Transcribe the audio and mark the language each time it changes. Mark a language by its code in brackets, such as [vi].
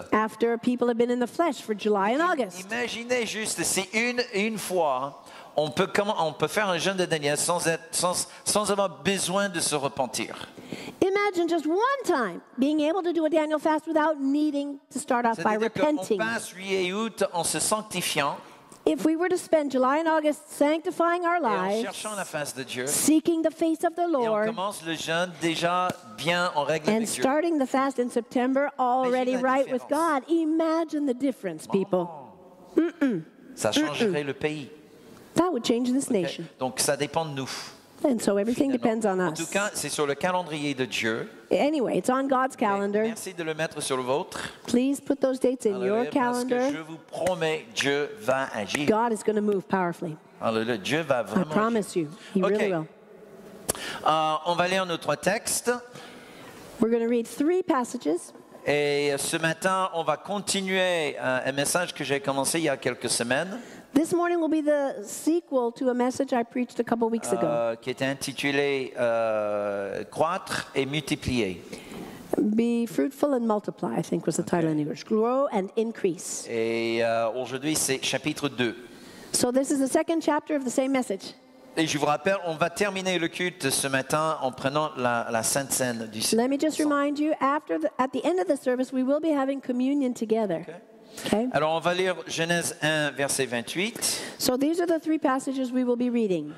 [en] After people have been in the flesh for July and August. [fr] Imaginez juste, c'est une fois. On peut faire un jeûne de Daniel sans avoir besoin de se repentir. [en] Imagine just one time being able to do a Daniel fast without needing to start off by repenting. [fr] C'est-à-dire qu'on passe juillet et août en se sanctifiant. [en] If we were to spend July and August sanctifying our lives, [fr] et en cherchant la face de Dieu, [en] seeking the face of the Lord, [fr] et on commence le jeûne déjà bien en règle [en] and [fr] avec [en] starting [fr] Dieu. [en] The fast in September already imagine right with God, imagine the difference, people. [fr] Mm-mm. Ça changerait Mm-mm. le pays. [en] That would change this nation. [fr] Okay. Donc ça dépend de nous. [en] And so everything [fr] finalement. [en] Depends on us. [fr] En tout cas, c'est sur le calendrier de Dieu. [en] Anyway, it's on God's calendar. [fr] Mais merci de le mettre sur le vôtre. [en] Please put those dates in your calendar. [fr] Parce que je vous promets, Dieu va agir. [en] God is going to move powerfully. [fr] Alléluia. Dieu va vraiment [en] I promise [fr] agir. [en] You, he okay. really will. [fr] On va lire notre texte. [en] We're going to read three passages. [fr] Et ce matin, on va continuer un message que j'ai commencé il y a quelques semaines. [en] This morning will be the sequel to a message I preached a couple weeks ago. [fr] Qui était intitulé Croître et multiplier. [en] Be fruitful and multiply, I think was the title in English. Grow and increase. [fr] Et aujourd'hui c'est chapitre 2. [en] So this is the second chapter of the same message. [fr] Et je vous rappelle, on va terminer le culte ce matin en prenant la Sainte Cène du Seigneur. [en] Let me just remind you, at the end of the service, we will be having communion together. [fr] Okay. Okay. Alors on va lire Genèse 1 verset 28. [en] So these are the three passages we will be reading.